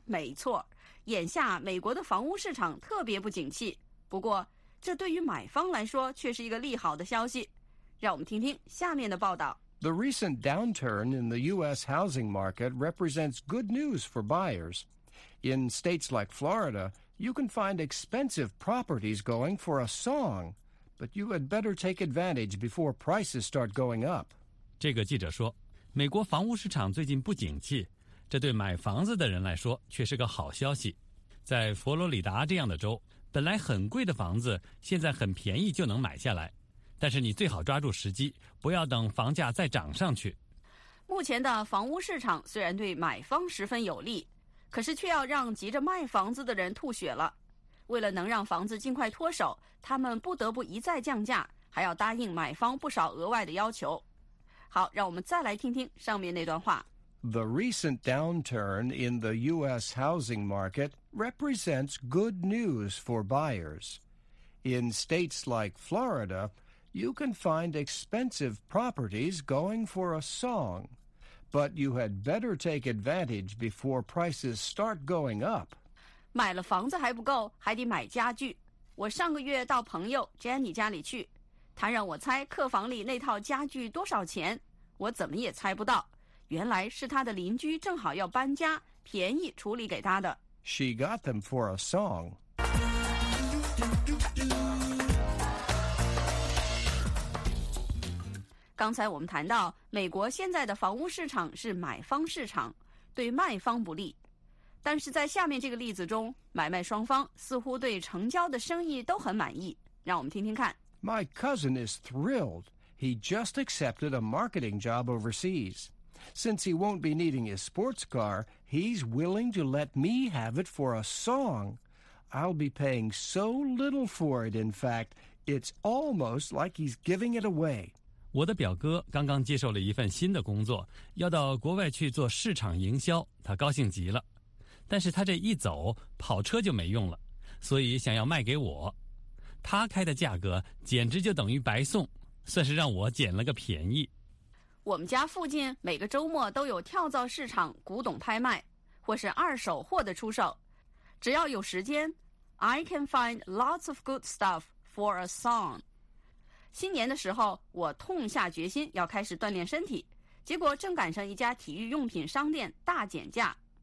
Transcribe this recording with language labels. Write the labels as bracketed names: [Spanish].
[Chinese] 没错，眼下美国的房屋市场特别不景气，不过这对于买方来说却是一个利好的消息。让我们听听下面的报道。 [English] The recent downturn in the U.S. housing market represents good news for buyers. In states like Florida, you can find expensive properties going for a song, but you had better take advantage before prices start going up. [Chinese] 这个记者说美国房屋市场最近不景气，这对买房子的人来说却是个好消息。在佛罗里达这样的州，本来很贵的房子现在很便宜就能买下来，但是你最好抓住时机，不要等房价再涨上去。目前的房屋市场虽然对买方十分有利，可是却要让急着卖房子的人吐血了。为了能让房子尽快脱手，他们不得不一再降价，还要答应买方不少额外的要求。好，让我们再来听听上面那段话。 [English] The recent downturn in the U.S. housing market represents good news for buyers. In states like Florida, you can find expensive properties going for a song. But you had better take advantage before prices start going up. [Chinese] 买了房子还不够，还得买家具。我上个月到朋友 Jenny 家里去，她让我猜客房里那套家具多少钱，我怎么也猜不到。原来是她的邻居正好要搬家，便宜处理给她的。 [English] She got them for a song. [Chinese] 刚才我们谈到，美国现在的房屋市场是买方市场，对卖方不利。但是在下面这个例子中，买卖双方似乎对成交的生意都很满意。让我们听听看。 [English] My cousin is thrilled. He just accepted a marketing job overseas. Since he won't be needing his sports car, he's willing to let me have it for a song. I'll be paying so little for it, in fact, it's almost like he's giving it away. [Chinese] 我的表哥刚刚接受了一份新的工作，要到国外去做市场营销，他高兴极了。但是他这一走，跑车就没用了，所以想要卖给我。他开的价格简直就等于白送，算是让我捡了个便宜。我们家附近每个周末都有跳蚤市场古董拍卖，或是二手货的出售。只要有时间 [English] ，I can find lots of good stuff for a song. [Chinese] 新年的时候，我痛下决心要开始锻炼身体，结果正赶上一家体育用品商店大减价。